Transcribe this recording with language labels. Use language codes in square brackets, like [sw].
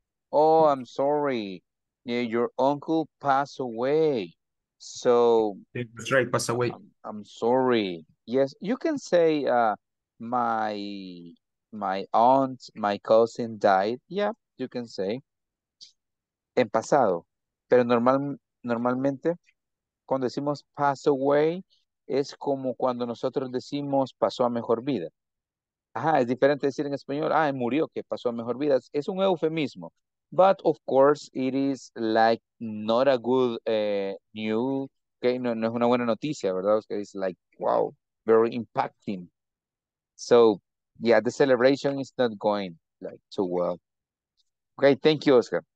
[en] Oh, I'm sorry. Yeah, your uncle passed away. So that's right, passed away. I'm sorry. Yes, you can say my aunt, my cousin died. Yeah, you can say. [es] En pasado. Pero normalmente, cuando decimos pass away, es como cuando nosotros decimos pasó a mejor vida. Ajá, es diferente decir en español, ah, murió, que pasó a mejor vida. Es un eufemismo. [en] But, of course, it is like not a good news. Okay, [es] no es una buena noticia, ¿verdad? [en] Okay, it's like, wow, very impacting. So, yeah, the celebration is not going like too well. Okay, thank you, Oscar.